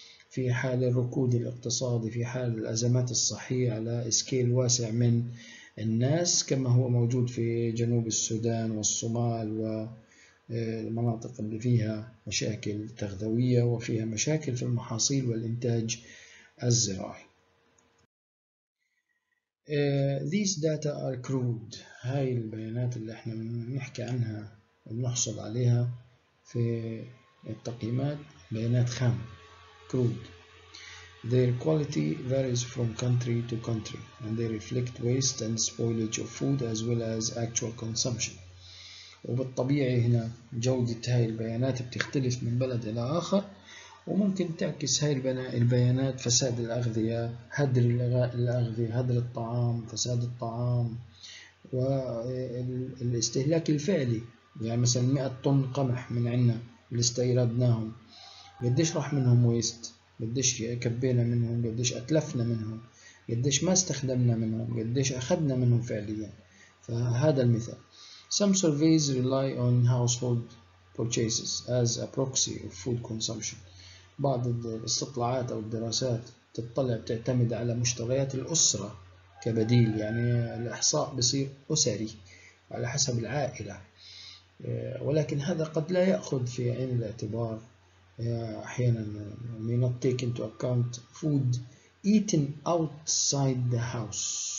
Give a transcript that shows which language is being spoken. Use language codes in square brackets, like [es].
[ar] في حال الركود الاقتصادي، في حال الأزمات الصحية على سكيل واسع من الناس كما هو موجود في جنوب السودان والصومال والمناطق اللي فيها مشاكل تغذوية وفيها مشاكل في المحاصيل والإنتاج الزراعي. [en] These data are crude. [ar] هاي البيانات اللي احنا بنحكي عنها ونحصل عليها في التقييمات بيانات خام crude. [en] Their quality varies from country to country and they reflect waste and spoilage of food as well as actual consumption. [ar] وبالطبيعي هنا جودة هاي البيانات بتختلف من بلد إلى آخر، وممكن تعكس هاي البيانات فساد الأغذية، هدر الأغذية، هدر الطعام، فساد الطعام، والـ الاستهلاك الفعلي، يعني مثلا 100 طن قمح من عنا اللي استيردناهم، قديش راح منهم ويست، قديش كبينا منهم، قديش أتلفنا منهم، قديش ما استخدمنا منهم، قديش أخذنا منهم فعليا. فهذا المثال. [en] Some surveys rely on household purchases as a proxy of food consumption. [ar] بعض الاستطلاعات أو الدراسات تطلع بتعتمد على مشتريات الأسرة كبديل، يعني الإحصاء بصير أسري على حسب العائلة، ولكن هذا قد لا يأخذ في عين الاعتبار أحيانا [en] may not take into account food eaten outside the house.